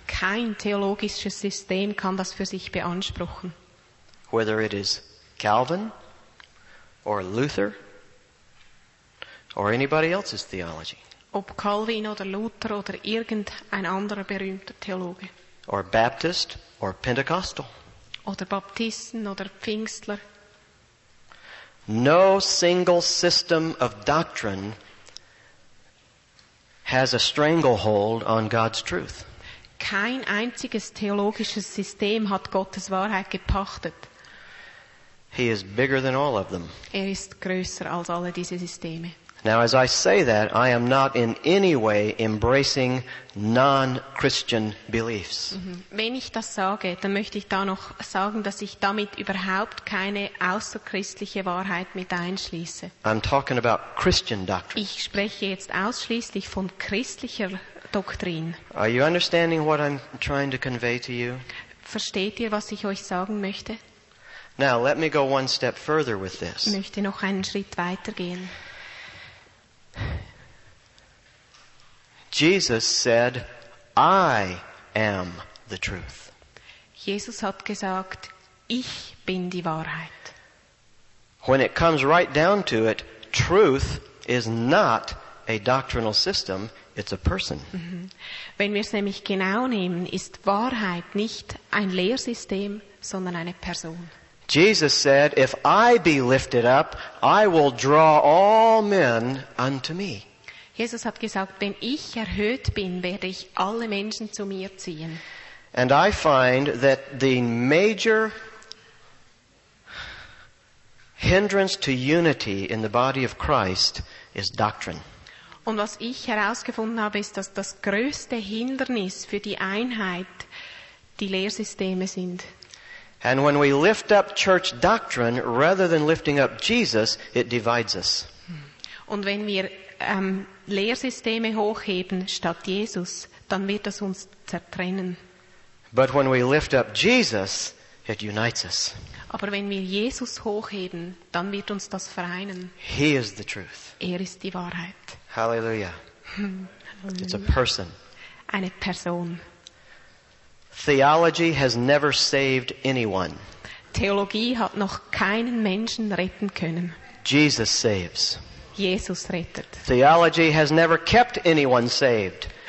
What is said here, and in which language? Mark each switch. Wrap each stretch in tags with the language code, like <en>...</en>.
<de>Kein theologisches System kann das für sich beanspruchen.</de> <en>Whether it is Calvin or Luther or anybody else's theology.</en> <de>Ob Calvin oder Luther oder irgendein anderer berühmter Theologe.</de> <en>Or Baptist or Pentecostal.</en> <de>Oder Baptisten oder Pfingstler.</de> <en>No single system of doctrine has a stranglehold on God's truth.</en> <de>Kein einziges theologisches System hat Gottes Wahrheit gepachtet.</de> <en>He is bigger than all of them.</en> <de>Er ist größer als alle diese Systeme.</de> <en>Now, as I say that, I am not in any way embracing non-Christian beliefs.</en> <de>Wenn ich das sage, dann möchte ich da noch sagen, dass ich damit überhaupt keine außerchristliche Wahrheit mit einschließe.</de> <en>I'm talking about Christian doctrine.</en> <de>Ich spreche jetzt ausschließlich von christlicher Doktrin.</de> <en>Are you understanding what I'm trying to convey to you?</en> <de>Versteht ihr, was ich euch sagen möchte?</de> <en>Now, let me go one step further with this.</en> <de>Ich möchte noch einen Schritt weitergehen.</de> <en>Jesus said, I am the truth.</en> <de>Jesus hat gesagt, ich bin die Wahrheit.</de> <en>When it comes right down to it, truth is not a doctrinal system, it's a person.</en> <de>Wenn wir es nämlich genau nehmen, ist Wahrheit nicht ein Lehrsystem, sondern eine Person.</de> <en>Jesus said, if I be lifted up, I will draw all men unto me.</en> <de>Jesus hat gesagt, wenn ich erhöht bin, werde ich alle Menschen zu mir ziehen.</de> <en>And I find that the major hindrance to unity in the body of Christ is doctrine.</en> <de>Und was ich herausgefunden habe, ist, dass das größte Hindernis für die Einheit die Lehrsysteme sind.</de> <en>And when we lift up church doctrine rather than lifting up Jesus, it divides us.</en> <de>Und wenn wir Lehrsysteme hochheben statt Jesus, dann wird das uns zertrennen.</de> <en>But when we lift up Jesus, it unites us.</en> <de>Aber wenn wir Jesus hochheben, dann wird uns das vereinen.</de> <en>He is the truth.</en> <de>Er ist die Wahrheit.</de> <en>Hallelujah. It's a person.</en> <de>Eine Person.</de> <en>Theology has never saved anyone.</en> <de>Theologie hat noch keinen Menschen retten können.</de> <en>Jesus saves.</en> <de>Jesus rettet.</de> <en>Theology has never kept anyone saved.</en>